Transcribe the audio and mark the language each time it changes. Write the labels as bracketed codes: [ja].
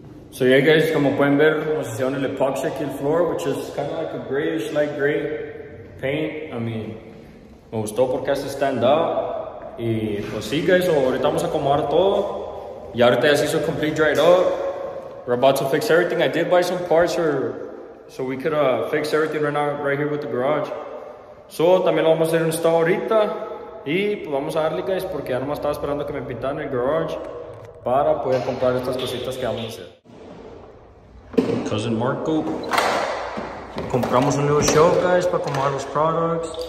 [en] So yeah, guys, [es] como pueden ver, nos hicieron el epoxy aquí el [en] floor, which is kind of like a grayish, light gray paint. I mean, [es] me gustó porque hace [en] stand out. [es] Y pues sí, guys, ahorita vamos a acomodar todo. Y ahorita ya se hizo [en] complete dried up. We're about to fix everything. I did buy some parts so we could fix everything right now, right here with the garage. [es] So también lo vamos a hacer un install ahorita. Y pues vamos a darle, guys, porque ya nomás estaba esperando que me pintaran el garage para poder comprar estas cositas que vamos a hacer. Cousin Marco, compramos un nuevo shelf, guys, para acomodar los products.